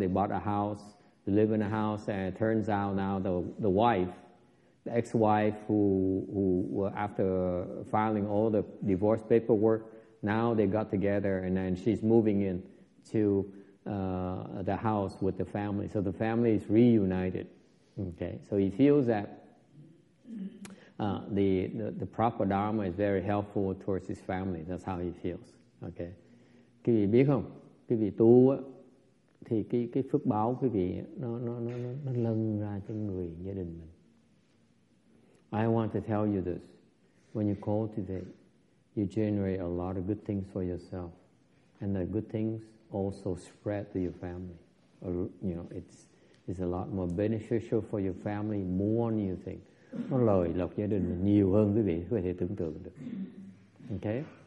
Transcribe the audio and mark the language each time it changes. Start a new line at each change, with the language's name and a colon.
English: They bought a house, they live in a house, and it turns out now the wife, the ex-wife, who after filing all the divorce paperwork, now they got together, and then she's moving in to the house with the family. So the family is reunited. Okay. So he feels that the proper Dharma is very helpful towards his family. That's how he feels. Okay.
Vietnamese: Quý vị biết không? Quý vị tu á, thì cái phước báo quý vị nó lân ra cho người gia đình mình.
English: I want to tell you this. When you cultivate, you generate a lot of good things for yourself. And the good things also spread to your family. You know, it's a lot more beneficial for your family, more new things.
Vietnamese: Nó lời lộc gia đình nhiều hơn quý vị có thể tưởng tượng được. Okay?